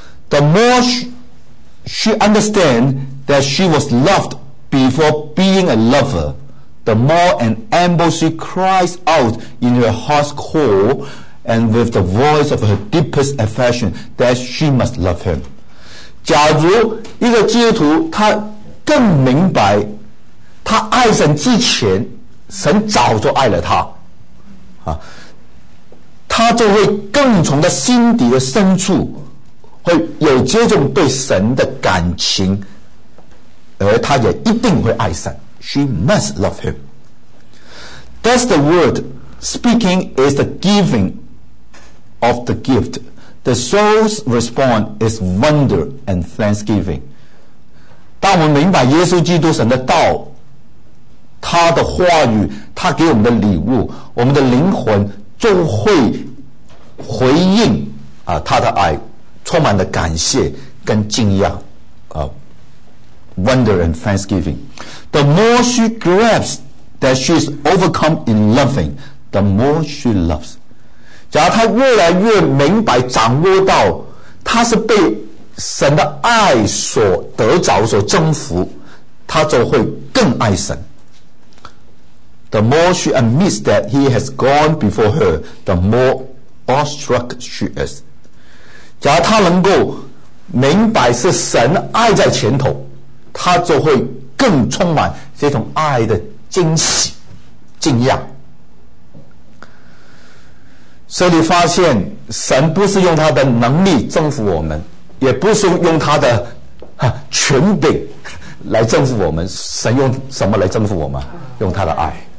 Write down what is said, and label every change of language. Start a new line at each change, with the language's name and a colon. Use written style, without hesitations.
English: The more she understand that she was lovedBefore being a lover, the more an amble she cries out in her heart's core and with the voice of her deepest affection that she must love him.
Chinese: 假如一个基督徒他更明白他爱神之前神早就爱了他，他就会更从他心底的深处会有这种对神的感情，而他也一定会爱神。
English: She must love him. That's the word. Speaking is the giving of the gift. The soul's response is wonder and thanksgiving.
Chinese: 当我们明白耶稣基督神的道，他的话语，他给我们的礼物，我们的灵魂就会回应他的爱，充满了感谢跟敬仰
English: Wonder and thanksgiving. The more she grasps that she is overcome in loving, the more she loves.
Chinese: 假如她越来越明白掌握到她是被神的爱所得着所征服，她就会更爱神。
English: The more she admits that he has gone before her, the more awestruck she is.
Chinese: 假如她能够明白是神爱在前头，他就会更充满这种爱的惊喜惊讶。所以你发现神不是用他的能力征服我们，也不是用他的权柄来征服我们，神用什么来征服我们？用他的爱。